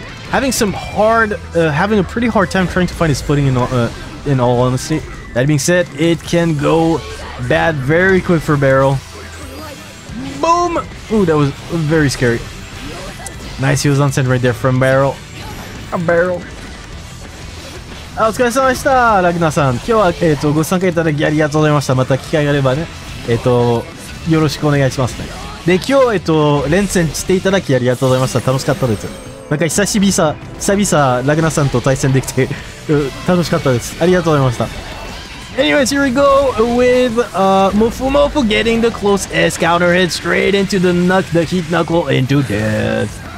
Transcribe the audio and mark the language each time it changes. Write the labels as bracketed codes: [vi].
[en] Having a pretty hard time trying to find his footing in all honesty. That being said, it can go bad very quick for Barell. Boom! Ooh, that was very scary. Nice, he was on set right there from Barell. A Barell. [ja] お疲れ様でした、ラグナさん。今日はご参加いただきありがとうございました。また機会があればね。よろしくお願いしますね。で、今日、連戦していただきありがとうございました。楽しかったです。なんか久々、ラグナさんと対戦できて 楽しかったです。ありがとうございました。 [en] Anyways, here we go with Mofmof getting the close S counter hit straight into the knuck, the heat knuckle into death.